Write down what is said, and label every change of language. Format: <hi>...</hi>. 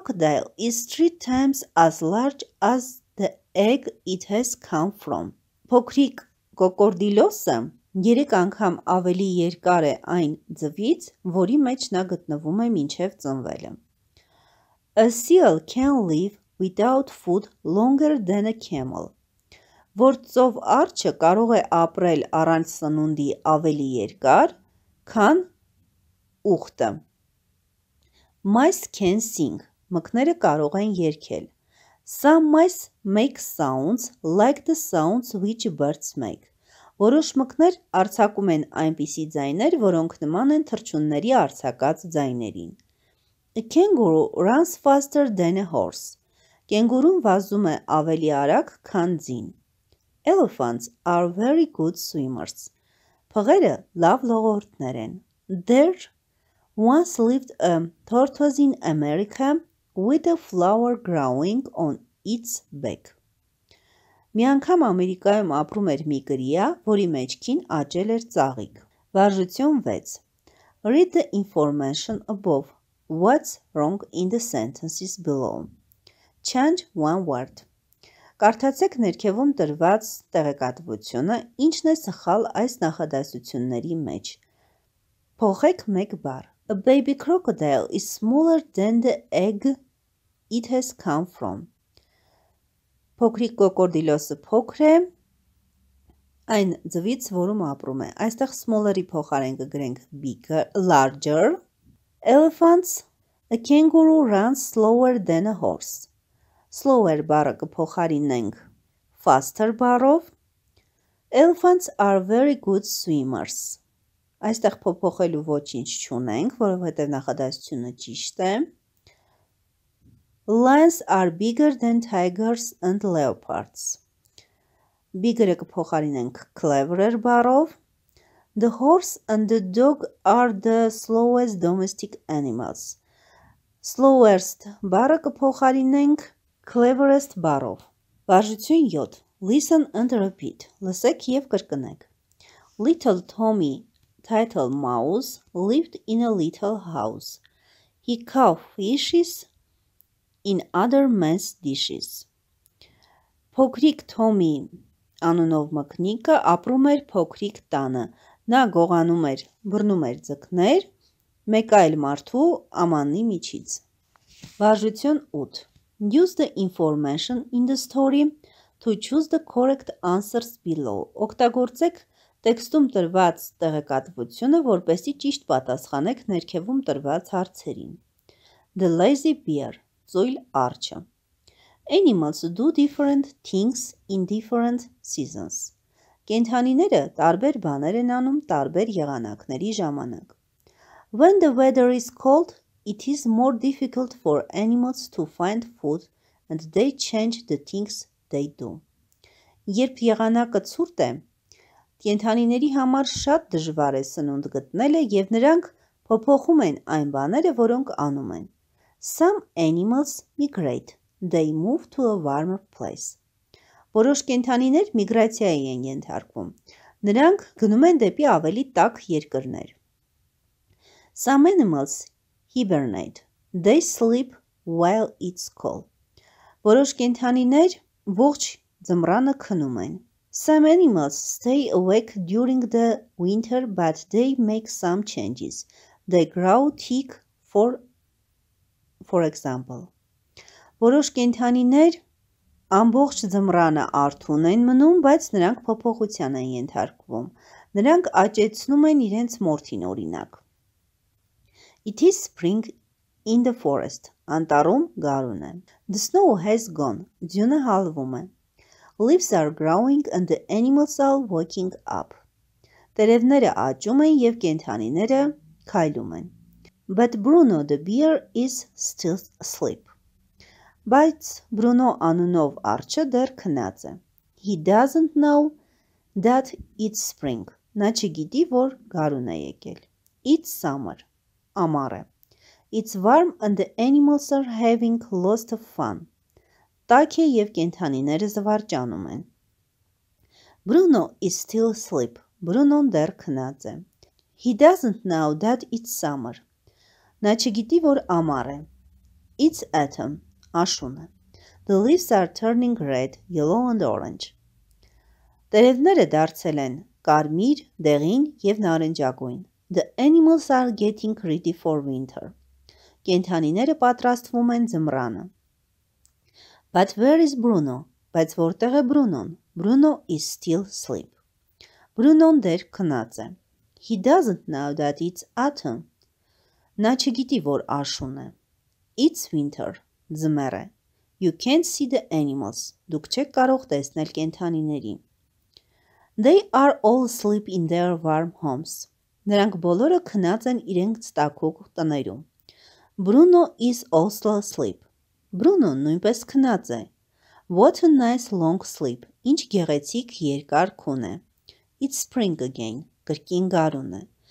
<en>A baby crocodile is three times as large as the egg it has come from.</en> <hy>Փոքրիկ կոկորդիլոսը 3 անգամ ավելի երկար է այն ձվից, որի մեջ նա գտնվում է մինչև ծնվելը.</hy> <en>A seal can live without food longer than a camel.</en> <hy>Ործով արջը կարող է ապրել առանց սնունդի ավելի երկար, քան ուղտը.</hy> <en>Mice can sing.</en> <hy>Մկները կարող են երգել.</hy> <en>Some mice make sounds like the sounds which birds make.</en> <hy>Որոշ մկներ արձակում են այնպիսի ձայներ, որոնք նման են թռչունների արձակած ձայներին.</hy> <en>A kangaroo runs faster than a horse.</en> <hy>Կենգուրուն վազում է ավելի արագ, քան ձին.</hy> <en>Elephants are very good swimmers.</en> <hy>Փղերը լավ լողորդներ են.</hy> <en>There once lived a tortoise in America with a flower growing on its back.</en> <hy>Մի անգամ Ամերիկայում ապրում էր մի գրիա, որի մեջքին աճել էր ծաղիկ. Վարժություն 6.</hy> <en>Read the information above. What's wrong in the sentences below? Change one word.</en> <hy>Կարդացեք ներքևում տրված տեղեկատվությունը, ինչն է սխալ այս նախադասությունների մեջ. Փոխեք մեկ բառ.</hy> <en>A baby crocodile is smaller than the egg it has come from.</en> <hy>Փոքրիկ կոկորդիլոսը փոքր է այն ձվից, որում ապրում է։ Այստեղ smaller-ի փոխարեն կգրենք bigger, larger.</hy> <en>Elephants, a kangaroo runs slower than a horse.</en> <hy>Slower բառը կփոխարինենք faster բառով.</hy> <en>Elephants are very good swimmers.</en> <hy>Այստեղ փոփոխելու ոչինչ չունենք, որովհետև նախադասությունը ճիշտ է։</hy> <en>Lions are bigger than tigers and leopards.</en> <hy>Bigger-ը կփոխարինենք cleverer բառով.</hy> <en>The horse and the dog are the slowest domestic animals.</en> <hy>Slowest բառը կփոխարինենք cleverest բառով. Վարժություն 7.</hy> <en>Listen and repeat.</en> <hy>Լսեք և կրկնեք.</hy> <en>Little Tommy, title mouse, lived in a little house. He caught fishes in other men's dishes.</en> <hy>Փոքրիկ Թոմի անունով մկնիկը ապրում էր փոքրիկ տանը. Նա գողանում էր, բռնում էր ձկներ մեկ այլ մարդու ամանի միջից. Վարժություն 8.</hy> <en>Use the information in the story to choose the correct answers below.</en> <hy>Օգտագործեք տեքստում տրված տեղեկատվությունը, որպեսզի ճիշտ պատասխանեք ներքևում տրված հարցերին.</hy> <en>The lazy bear.</en> <hy>Զույլ արջը.</hy> <en>Animals do different things in different seasons.</en> <hy>Կենդանիները տարբեր բաներ են անում տարբեր եղանակների ժամանակ.</hy> <en>When the weather is cold, it is more difficult for animals to find food and they change the things they do.</en> <hy>Երբ եղանակը ցուրտ է, կենդանիների համար շատ դժվար է սնունդ գտնելը և նրանք փոփոխում են այն բաները, որոնք անում են.</hy> <en>Some animals migrate. They move to a warmer place.</en> <hy>Որոշ կենդանիներ միգրացիա են ենթարկվում։ Նրանք գնում են դեպի ավելի տաք երկրներ։</hy> <en>Some animals hibernate. They sleep while it's cold.</en> <hy>Որոշ կենդանիներ ողջ ձմռանը քնում են։</hy> <en>Some animals stay awake during the winter, but they make some changes. They grow thick, for example.</en> <hy>Որոշ կենդանիներ ամբողջ ձմռանը արթուն են մնում, բայց նրանք փոփոխության են ենթարկվում։ Նրանք աճեցնում են իրենց մորթին, օրինակ։</hy> <en>It is spring in the forest.</en> <hy>Անտարում գարուն է։</hy> <en>The snow has gone.</en> <hy>Ձյունը հալվում է։</hy> <en>Leaves are growing and the animals are waking up.</en> <hy>Տերևները աճում են և կենդանիները քայլում են։</hy> <en>But Bruno the bear is still asleep.</en> <hy>Բայց Bruno անունով արջը դեռ քնած է։</hy> <en>He doesn't know that it's spring.</en> <hy>Նա չգիտի, որ գարուն է եկել։</hy> <en>It's summer.</en> <hy>Ամառ է։</hy> <en>It's warm and the animals are having lots of fun.</en> <hy>Տաք է և կենդանիները զվարճանում են։</hy> <en>Bruno is still asleep.</en> <hy>Բրունոն դեռ քնած է։</hy> <en>He doesn't know that it's summer.</en> <hy>Նա չգիտի, որ ամառ է։</hy> <en>It's autumn.</en> <hy>Աշուն է։</hy> <en>The leaves are turning red, yellow and orange.</en> <hy>Տերևները դարձել են կարմիր, դեղին և նարնջագույն։</hy> <en>The animals are getting ready for winter.</en> <hy>Կենդանիները պատրաստվում են ձմռանը։</hy> <en>But where is Bruno?</en> <hy>Բայց որտեղ է Բրունոն?</hy> <en>Bruno is still asleep.</en> <hy>Բրունոն դեռ քնած է։</hy> <en>He doesn't know that it's autumn.</en> <hy>Նա չգիտի, որ աշուն է։</hy> <en>It's winter.</en> <hy>Ձմեռ է։</hy> <en>You can't see the animals.</en> <hy>Դուք չեք կարող տեսնել կենդանիներին։</hy> <en>They are all asleep in their warm homes.</en> <hy>Նրանք բոլորը քնած են իրենց տաքուկ տներում։</hy> <en>Bruno is also asleep.</en> <hy>Բրունոն նույնպես քնած է։</hy> <en>What a nice long sleep.</en> <hy>Ինչ գեղեցիկ երկար քուն է։</hy> <en>It's spring again.</en> <hy>Կրկին գարուն է։</hy>